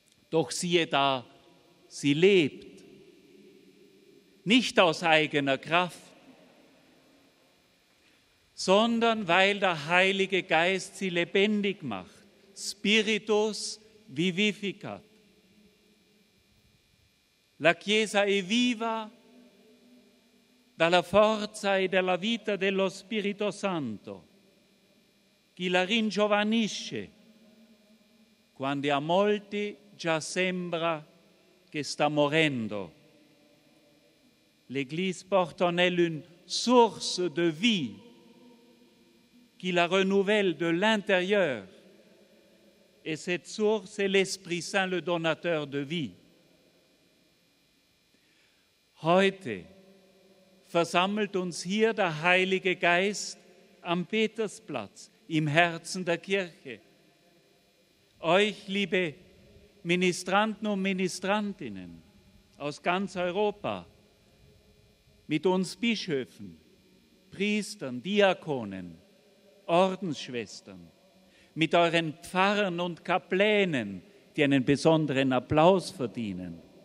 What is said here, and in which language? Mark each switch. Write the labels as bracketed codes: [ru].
[de] Doch siehe da, sie lebt. Nicht aus eigener Kraft, sondern weil der Heilige Geist sie lebendig macht. [la] Spiritus vivificat. [it] La Chiesa è viva dalla forza e dalla vita dello Spirito Santo. Chi la ringiovanisce quando a molti già sembra che sta morendo. [fr] L'Église porte en elle une source de vie qui la renouvelle de l'intérieur. Et cette source est l'Esprit Saint, le donateur de vie. [de] Heute versammelt uns hier der Heilige Geist am Petersplatz, im Herzen der Kirche. Euch, liebe Ministranten und Ministrantinnen aus ganz Europa, mit uns Bischöfen, Priestern, Diakonen, Ordensschwestern, mit euren Pfarrern und Kaplänen, die einen besonderen Applaus verdienen.